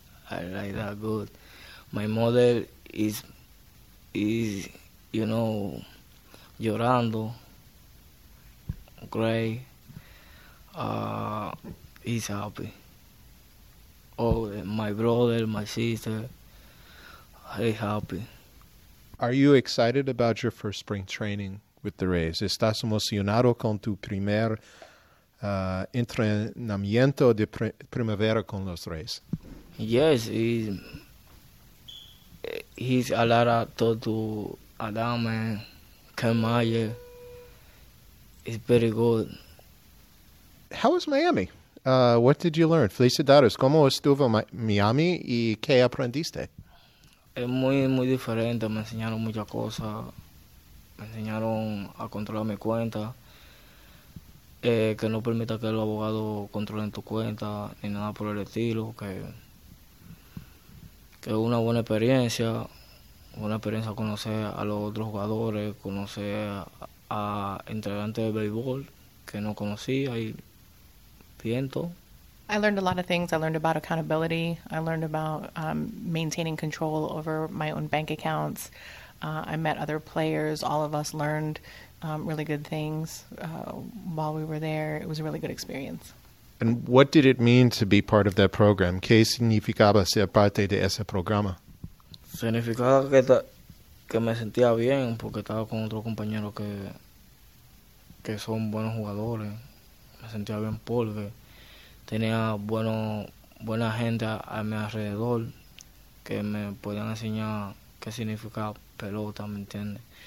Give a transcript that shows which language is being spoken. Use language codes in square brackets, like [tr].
[en] I like that good. My mother is you know, llorando. Gray, he's happy. Oh, my brother, my sister, they happy. Are you excited about your first spring training with the Rays? [es] ¿Estás emocionado con tu primer entrenamiento de primavera con los Rays? [en] Yes, he's a lot of talk to Adam and Ken Meyer. It's very good. How was Miami? What did you learn? [es] Felicidades. ¿Cómo estuvo Miami y qué aprendiste? Es muy, muy diferente. Me enseñaron muchas cosas. Me enseñaron a controlar mi cuenta. Que no permita que los abogados controlen tu cuenta ni nada por el estilo. Que es una buena experiencia. Una experiencia conocer a los otros jugadores, conocer a entrenante de béisbol que no conocía y viento. [en] I learned a lot of things. I learned about accountability. I learned about maintaining control over my own bank accounts. I met other players. All of us learned really good things while we were there. It was a really good experience. And what did it mean to be part of that program? [es] ¿Qué significaba ser parte de ese programa? Significaba que me sentía bien porque estaba con otro compañero que son buenos jugadores. Me sentía bien porque tenía buena gente a mi alrededor que me podían enseñar qué significa pelota, ¿me entiendes?